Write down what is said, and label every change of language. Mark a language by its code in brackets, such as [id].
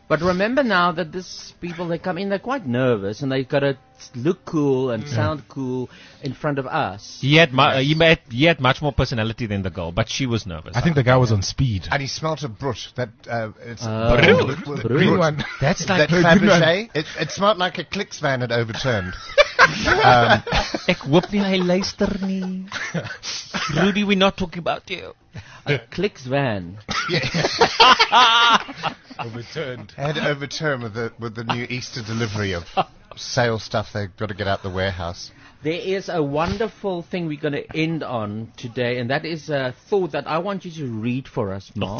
[en] But remember now that these people, they come in, they're quite nervous, and they've got to look cool and sound cool in front of us. He had much more personality than the girl, but she was nervous. I think the guy was on speed. And he smelled a brut. That, it's brut. Green one. That's like Fabergé. It smelled like a Clicks van had overturned. [af] Ek hoop nie hy luister nie. [en] Rudy, we're not talking about you. A Clicks van. Overturned. Had overturned with the new Easter delivery of sale stuff they've got to get out the warehouse. There is a wonderful thing we're going to end on today, and that is a thought that I want you to read for us, Mark.